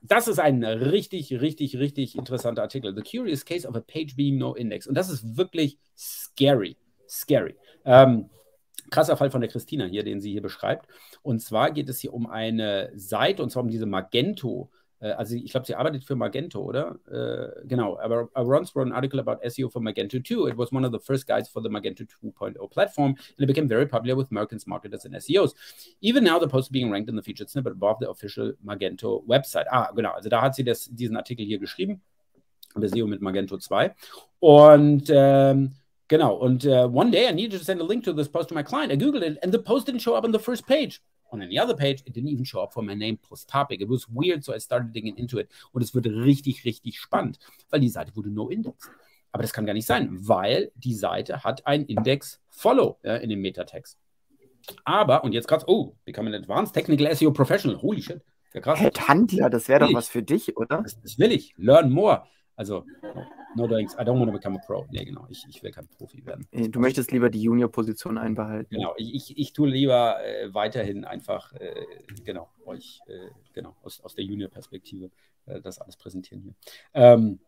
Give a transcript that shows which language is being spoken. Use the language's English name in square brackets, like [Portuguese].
[German] Das ist ein richtig, richtig, richtig interessanter Artikel. [English] The Curious Case of a Page Being No Index. [German] Und das ist wirklich scary. Scary. Krasser Fall von der Christina hier, den sie hier beschreibt. Und zwar geht es hier um eine Seite, und zwar um diese Magento. Also ich glaube, sie arbeitet für Magento, oder? Genau, aber [English] Arons wrote an article about SEO for Magento 2. It was one of the first guides for the Magento 2.0 platform, and it became very popular with merchants, marketers and SEOs. Even now, the post is being ranked in the featured snippet above the official Magento website. [German] Ah, genau, also da hat sie diesen Artikel hier geschrieben, über SEO mit Magento 2. Und genau, und [English] one day I needed to send a link to this post to my client. I googled it, and the post didn't show up on the first page. On any other page, it didn't even show up for my name plus topic. It was weird, so I started digging into it. [German] Und es wurde richtig, richtig spannend, weil die Seite wurde no index. Aber das kann gar nicht sein, weil die Seite hat ein Index-Follow in den Meta-Tags. Aber, und jetzt gerade, [English] oh, become an advanced technical SEO professional. Holy shit. [German] Ja, krass. Herr Tandler, das wäre doch was für dich, oder? Das will ich. [English] Learn more. Also, no doings, I don't want to become a pro. [German] Nee, genau, ich will kein Profi werden. Du möchtest lieber die Junior-Position einbehalten. Genau, ich tue lieber weiterhin einfach, euch, aus der Junior-Perspektive das alles präsentieren hier.